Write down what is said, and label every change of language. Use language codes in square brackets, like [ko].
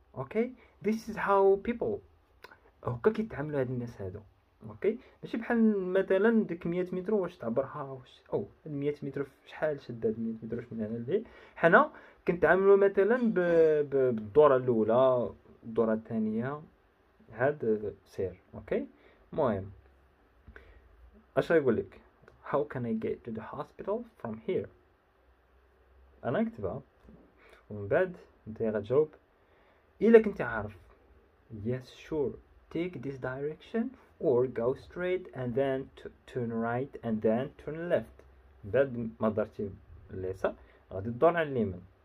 [ar] اوكي [en] this is how people [ar] هكا كيتعاملوا هاد الناس هادو. اوكي ماشي بحال مثلا ديك 100 متر واش تعبرها واش او 100 متر شحال شدات 100 متر واش من هنا لهنا، حنا كنتعاملوا مثلا بالدوره الاولى الدوره الثانيه هاد سير. اوكي مهم اش غايقول لك؟ [en] how can I get to the hospital from here؟ [ar] انا نكتبها ومن بعد انت غتجاوب الا كنت عارف [en] yes sure take this direction or go straight and then turn right and then turn left. [ar] بعد ما درتي ليسا غادي تدور على اليمين.